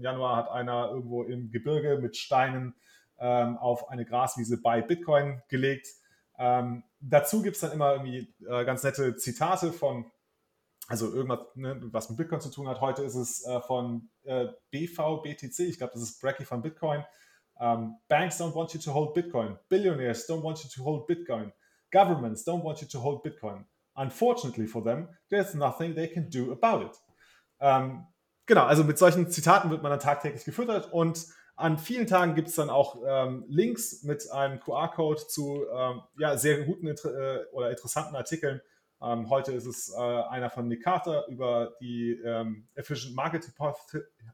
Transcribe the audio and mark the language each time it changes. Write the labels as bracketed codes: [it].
[de] Januar hat einer irgendwo im Gebirge mit Steinen auf eine Graswiese bei Bitcoin gelegt. Dazu gibt es dann immer irgendwie ganz nette Zitate von, also irgendwas, ne, was mit Bitcoin zu tun hat. Heute ist es von BVBTC, ich glaube, das ist Bracky von Bitcoin. [en] Banks don't want you to hold Bitcoin. Billionaires don't want you to hold Bitcoin. Governments don't want you to hold Bitcoin. Unfortunately for them, there's nothing they can do about it. [de] Genau, also mit solchen Zitaten wird man dann tagtäglich gefüttert und an vielen Tagen gibt es dann auch Links mit einem QR-Code zu ja, sehr guten oder interessanten Artikeln. Heute ist es einer von Nick Carter über die Efficient Market Hypothesis.